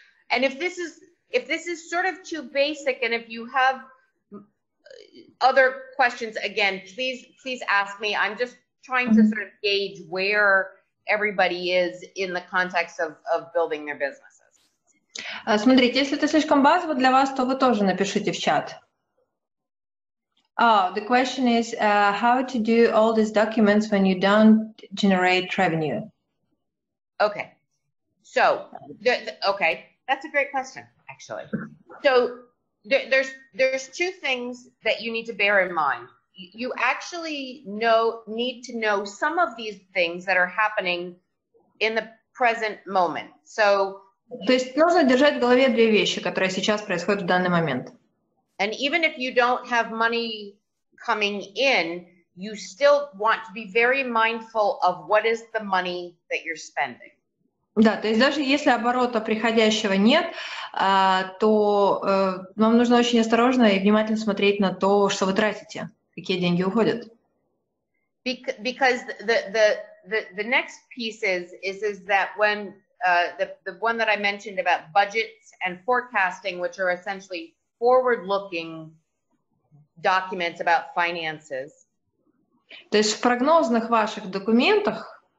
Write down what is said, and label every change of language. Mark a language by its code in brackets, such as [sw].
[en] And if this is sort of too basic, and if you have other questions, again, please ask me. I'm just trying to sort of gauge where everybody is in the context of building their businesses. [ru] Смотрите, если это слишком базово для вас, то вы тоже напишите в чат. [en] Oh, the question is how to do all these documents when you don't generate revenue. Okay. So, okay, that's a great question, actually. So, there's two things that you need to bear in mind. You actually need to know some of these things that are happening in the present moment. So, [ru] то есть нужно держать в голове две вещи, которые сейчас происходят в данный момент. [en] And even if you don't have money coming in, you still want to be very mindful of what is the money that you're spending. [ru] Да, то есть даже если оборота приходящего нет, то вам нужно очень осторожно и внимательно смотреть на то, что вы тратите, какие деньги уходят. [en] Because the next piece is that when the one that I mentioned about budgets and forecasting, which are essentially forward-looking documents about finances. [ru] То есть в прогнозных ваших документах